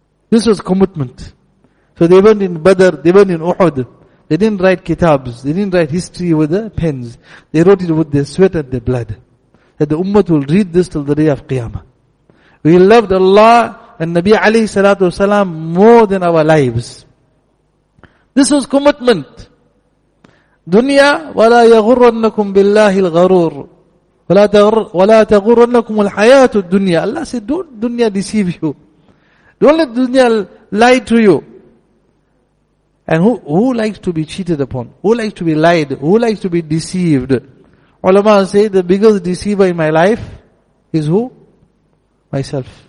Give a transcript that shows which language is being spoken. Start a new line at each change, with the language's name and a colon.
English: This was commitment. So they went in Badr, they went in Uhud. They didn't write kitabs, they didn't write history with the pens. They wrote it with their sweat and their blood. That the Ummah will read this till the day of Qiyamah. We loved Allah and Nabi alayhi salatu wasalam more than our lives. This was commitment.
Arabic: Dunya, وَلَا يَغُرَّنَّكُمْ بِاللَّهِ الْغَرُورِ وَلَا تَغُرَّنَّكُمُ الْحَيَاةُ الدُّنْيَا.
English: Allah said, don't dunya deceive you. Don't let dunya lie to you. And who likes to be cheated upon? Who likes to be lied? Who likes to be deceived? Ulama say, the biggest deceiver in my life is who? Myself.